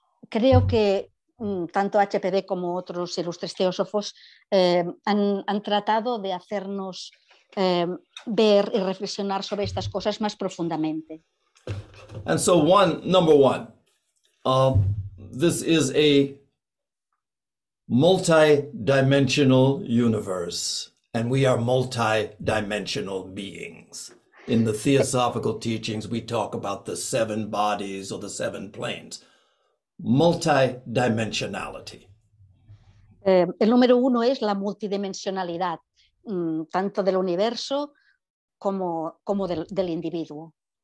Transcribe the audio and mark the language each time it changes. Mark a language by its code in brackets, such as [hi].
[es] Creo que tanto HPB como otros ilustres teósofos han tratado de hacernos ver y reflexionar sobre estas cosas más profundamente. [en] And so number one, this is a multidimensional universe, and we are multidimensional beings. In the theosophical teachings, we talk about the seven bodies or the seven planes. Multidimensionality. [es] El número uno es la multidimensionalidad, tanto del universo como del individuo.